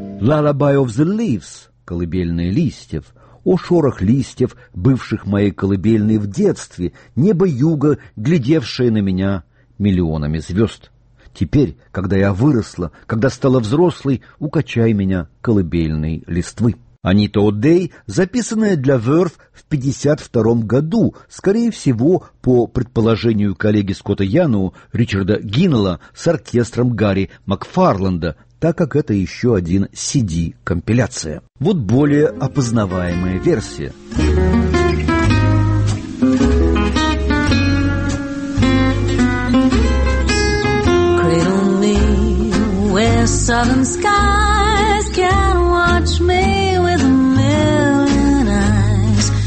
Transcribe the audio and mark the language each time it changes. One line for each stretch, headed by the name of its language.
English: «Lullaby of the Leaves» —
Russian: «Колыбельные листьев». О шорох листьев, бывших моей колыбельной в детстве, небо юга, глядевшее на меня миллионами звезд. Теперь, когда я выросла, когда стала взрослой, укачай меня колыбельной листвы. «Anita O'Day», записанная для Verve в 52-м году, скорее всего, по предположению коллеги Скотта Яноу, Ричарда Гиннелла с оркестром Гарри Макфарланда, так как это еще один CD-компиляция. Вот более опознаваемая версия.
English: Cradle me where southern skies can watch me with a million eyes.